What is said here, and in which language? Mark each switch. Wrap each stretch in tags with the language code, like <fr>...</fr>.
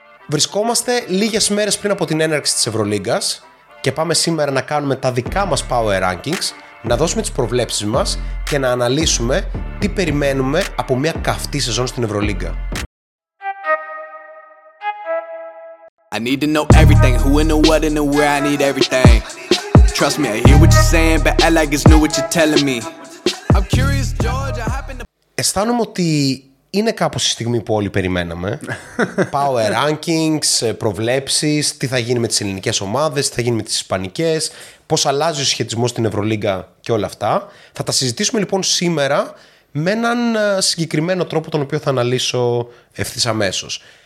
<el>Βρισκόμαστε λίγες μέρες πριν από την έναρξη της Ευρωλίγκας και πάμε σήμερα να κάνουμε τα δικά μας Power Rankings, να δώσουμε τις προβλέψεις μας και να αναλύσουμε τι περιμένουμε από μια καυτή σεζόν στην Ευρωλίγκα.</el> <en>I need to know everything, who in the what and the where, I need everything. Trust me, I hear what you're saying, but I like it's new what you're telling me. I'm curious, George, I happen to...</en> <el>Αισθάνομαι ότι είναι κάπως η στιγμή που όλοι περιμέναμε. Power rankings, προβλέψεις, τι θα γίνει με τις ελληνικές ομάδες, τι θα γίνει με τις ισπανικές, πώς αλλάζει ο σχετισμός στην Ευρωλίγκα και όλα αυτά. Θα τα συζητήσουμε λοιπόν σήμερα με έναν συγκεκριμένο τρόπο τον οποίο θα αναλύσω ευθύς αμέσως.</el>